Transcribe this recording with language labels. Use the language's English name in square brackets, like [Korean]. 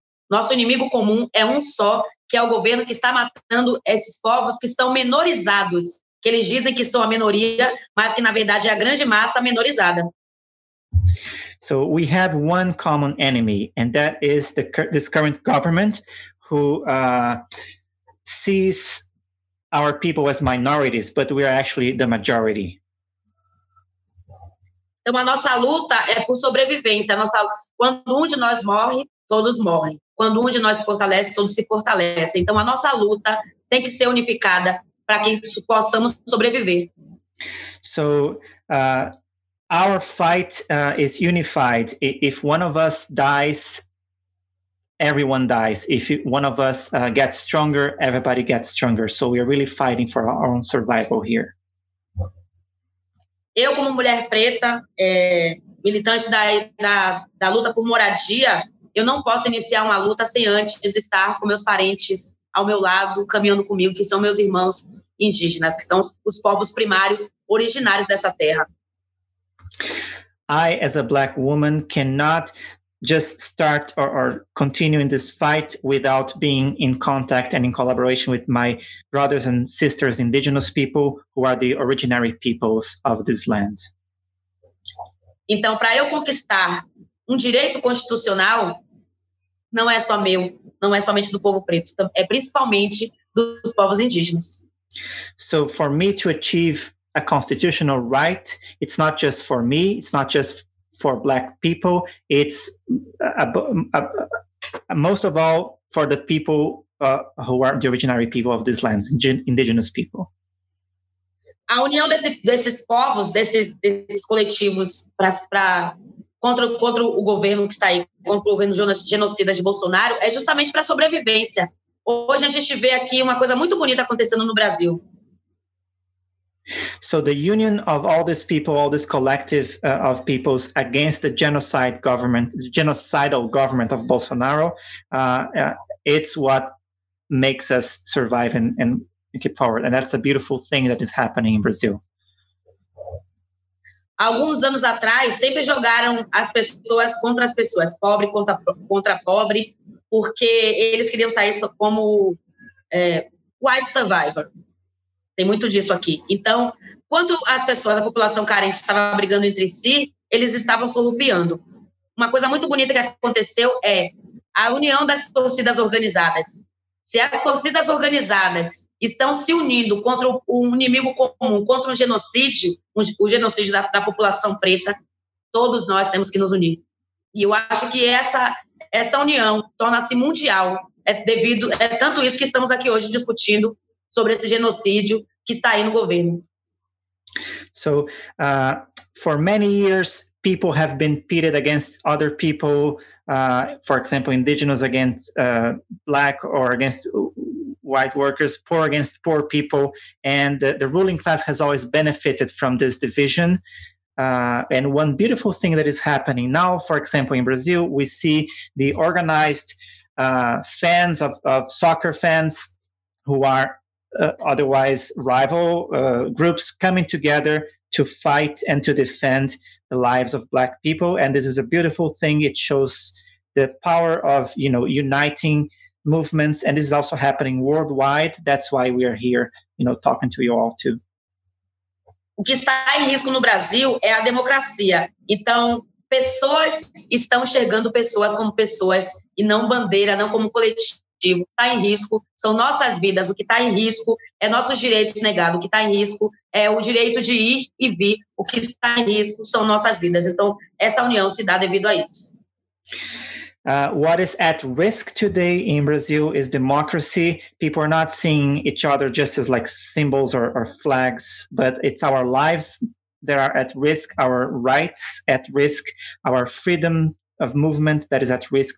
[Portuguese] Nosso inimigo comum é um só, que é o governo que está matando esses povos que são minorizados, que eles dizem que são a minoria, mas que na verdade é a grande massa minorizada. [English] So we have one common enemy, and that is this current government who sees our people as minorities, but we are actually the majority. [Portuguese] Então a nossa luta é por sobrevivência. Quando um de nós morre, todos morrem. Quando um de nós se fortalece, todos se fortalecem. Então, a nossa luta tem que ser unificada para que possamos sobreviver. [English] So, our fight is unified. If one of us dies, everyone dies. If one of us gets stronger, everybody gets stronger. So, we are really fighting for our own survival here. [Portuguese] Eu, como mulher preta, militante da luta por moradia, eu não posso iniciar uma luta sem antes estar com meus parentes ao meu lado, caminhando comigo, que são meus irmãos indígenas, que são os povos primários originários dessa terra. [English] I, as a black woman, cannot just start or continue in this fight without being in contact and in collaboration with my brothers and sisters, indigenous people, who are the originary peoples of this land. [Portuguese] Então, para eu conquistar direito constitucional não é só meu, não é somente do povo preto, é principalmente dos povos indígenas. [English] So for me to achieve a constitutional right, it's not just for me, it's not just for black people, it's most of all for the people who are the originary people of these lands, indigenous people. [Portuguese] A união desses povos, desses coletivos para contra o governo que está aí, contra o governo genocida de Bolsonaro, é justamente para a sobrevivência. Hoje a gente vê aqui uma coisa muito bonita acontecendo no Brasil. [English] So the union of all these people, all this collective of peoples against the genocide government, the genocidal government of Bolsonaro, it's what makes us survive and keep forward. And that's a beautiful thing that is happening in Brazil. [Portuguese] Alguns anos atrás, sempre jogaram as pessoas contra as pessoas, pobre contra pobre, porque eles queriam sair como [English] white survivor. [Portuguese] Tem muito disso aqui. Então, quando as pessoas, a população carente, estava brigando entre si, eles estavam surrupiando. Uma coisa muito bonita que aconteceu é a união das torcidas organizadas. Se as torcidas organizadas estão se unindo contra um inimigo comum, contra um genocídio, o genocídio da população preta, todos nós temos que nos unir. E eu acho que essa união torna-se mundial. É tanto isso que estamos aqui hoje discutindo sobre esse genocídio que está aí no governo. [English] So, for many years, people have been pitted against other people, for example, indigenous against black or against white workers, poor against poor people, and the ruling class has always benefited from this division. And one beautiful thing that is happening now, for example, in Brazil, we see the organized fans of soccer fans who are otherwise rival groups coming together to fight and to defend the lives of black people. And this is a beautiful thing. It shows the power of, you know, uniting movements. And this is also happening worldwide. That's why we are here, you know, talking to you all too. [Portuguese] O que está em risco no Brasil é a democracia. Então, pessoas estão enxergando pessoas como pessoas e não bandeira, não como coletivo. coletivo, está em risco, são nossas vidas, o que está em risco é nossos direitos negados, o que está em risco é o direito de ir e vir, o que está em risco são nossas vidas. Então, essa união se dá devido a isso. [English] What is at risk today in Brazil is democracy. People are not seeing each other just as like symbols or flags, but it's our lives that are at risk, our rights at risk, our freedom of movement that is at risk.